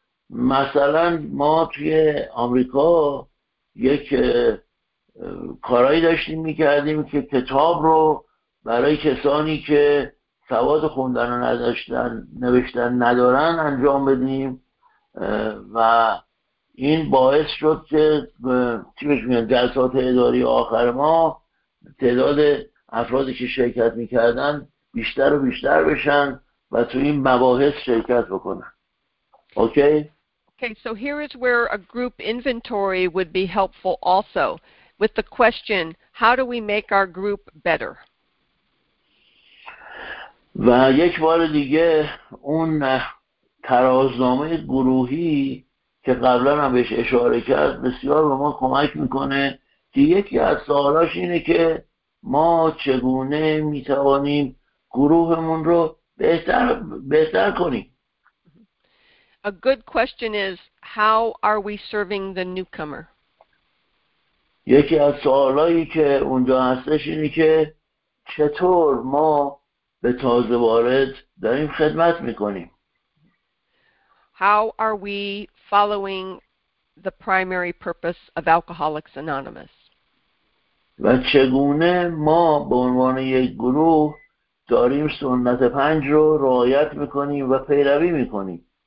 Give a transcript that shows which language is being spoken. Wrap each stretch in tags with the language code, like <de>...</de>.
<fa>مثلا ما توی آمریکا یک کارایی داشتیم میکردیم که کتاب رو برای کسانی که سواد خوندن رو نداشتن، نوشتن ندارن، انجام بدیم، و این باعث شد که چی بهش میگن جلسات اداری آخر ما تعداد افرادی که شرکت میکردن بیشتر و بیشتر بشن و تو این مباحث شرکت بکنن.</fa> <en>Okay, so here is where a group inventory would be helpful also, with the question, how do we make our group better?</en> <fa>و یک بار دیگه اون ترازنامه گروهی که قبلا هم بهش اشاره کرد بسیار به ما کمک میکنه، که یکی از سوالاش اینه که ما چگونه میتوانیم گروهمون رو بهتر کنیم.</fa> <en>A good question is, how are we serving the newcomer?</en> <fa>یکی از سوالایی که اونجا هستش اینه که چطور ما به تازه وارد داریم خدمت میکنیم.</fa> <en>How are we following the primary purpose of Alcoholics Anonymous?</en> <fa>و چگونه ما به عنوان یک گروه داریم سنت پنج رو رعایت میکنیم و پیروی میکنیم.</fa>